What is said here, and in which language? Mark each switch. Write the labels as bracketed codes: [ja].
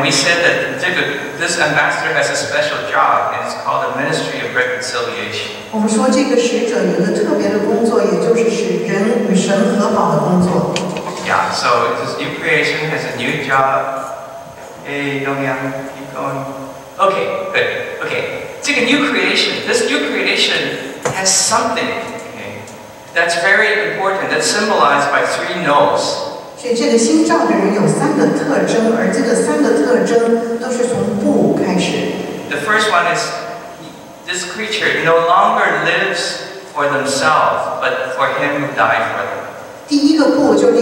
[en] we said that this ambassador has a special job, and it's called the Ministry of Reconciliation. [zh] 我们说这个使者有一个特别的工作，也就是使人与神和好的工作。 [en] Yeah, so this new creation has a new job. Hey, Dongyang, keep going. Okay, good. Okay. [zh] 这个 [en] new creation has something that's very important, that's symbolized by three no's. [zh] 所以这个新造的人有三个特征，而这个三个特征都是从不开始。 [en] The first one is this creature no longer lives for themselves, but for him who died for them.